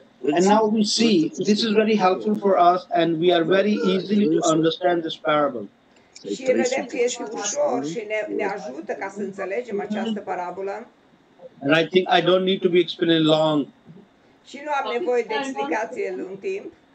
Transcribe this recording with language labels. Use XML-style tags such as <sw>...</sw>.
<en>And now we see, this is very helpful for us and we are very easy to understand this parable.</en> <ro>Și vedem că este ușor și ne ajută ca să înțelegem această parabolă.</ro> <en>And I think I don't need to be explained long.</en> <ro>Și nu am nevoie de explicație lung timp.</ro>